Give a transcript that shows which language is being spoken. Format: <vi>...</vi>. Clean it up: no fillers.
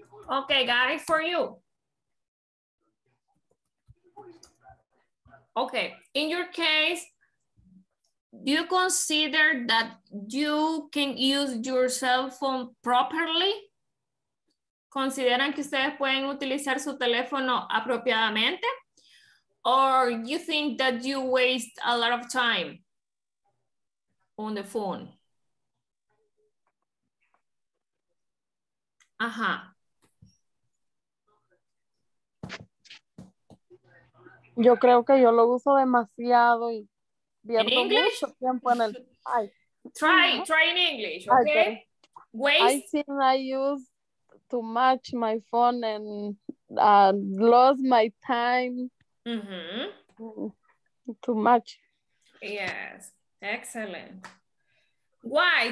<en>Okay, got it for you. Okay. In your case, do you consider that you can use your cell phone properly?</en> <es>¿Consideran que ustedes pueden utilizar su teléfono apropiadamente?</es> <en>Or you think that you waste a lot of time on the phone? Ajá.</en> <es>Yo creo que yo lo uso demasiado y pierdo mucho tiempo en el... Ay.</es> <en>Try in English, okay? I use too much my phone and lost my time. Mm-hmm. Too much. Yes, excellent. Why?</en>